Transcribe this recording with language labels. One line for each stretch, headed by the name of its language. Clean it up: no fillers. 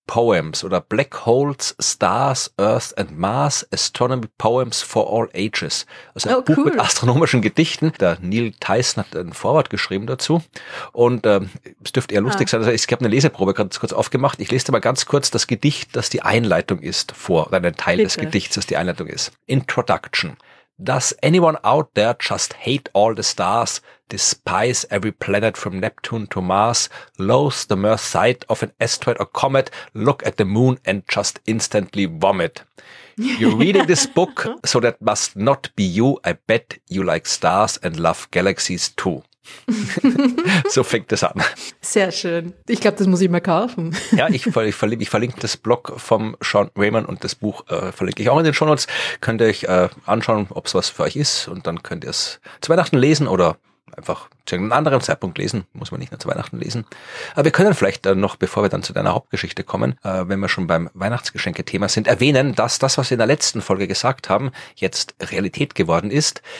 English: Poems oder Black Holes, Stars, Earth and Mars, Astronomy Poems for All Ages.
German: Also ein Buch mit astronomischen Gedichten. Der Neil Tyson hat ein Vorwort geschrieben dazu. Und es dürfte eher lustig sein. Also ich habe eine Leseprobe gerade kurz aufgemacht. Ich lese dir mal ganz kurz das Gedicht, das die Einleitung ist, vor. Oder einen Teil des Gedichts, das die Einleitung ist.
English: Introduction. Does anyone out there just hate all the stars, despise every planet from Neptune to Mars, loathe the mere sight of an asteroid or comet, look at the moon and just instantly vomit? You're reading this book, so that must not be you. I bet you like stars and love galaxies too.
German: So fängt es an. Sehr schön. Ich glaube, das muss ich mal kaufen. Ja, ich verlinke das Blog vom Sean Raymond und das Buch verlinke ich auch in den Shownotes. Könnt ihr euch anschauen, ob es was für euch ist, und dann könnt ihr es zu Weihnachten lesen oder einfach zu einem anderen Zeitpunkt lesen. Muss man nicht nur zu Weihnachten lesen. Aber wir können vielleicht noch, bevor wir dann zu deiner Hauptgeschichte kommen, wenn wir schon beim Weihnachtsgeschenke-Thema sind, erwähnen, dass das, was wir in der letzten Folge gesagt haben, jetzt Realität geworden ist.